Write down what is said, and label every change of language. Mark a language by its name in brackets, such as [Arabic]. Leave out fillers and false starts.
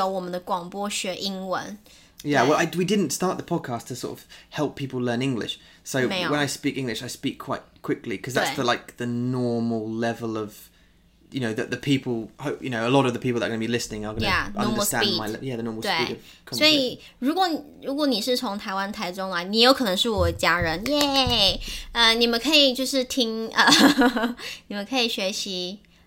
[Chinese] 然后他们刚好可以借由我们的广播学英文。 [English] Yeah, well, we didn't start the podcast to sort of help people learn English. So when I speak English, I speak quite quickly because that's the normal level of, you know, that the people, you know, a lot of the people that are going to be listening are going to understand the normal speed of conversation. [Chinese] 所以如果你是从台湾台中来，你有可能是我的家人，耶！你们可以学习。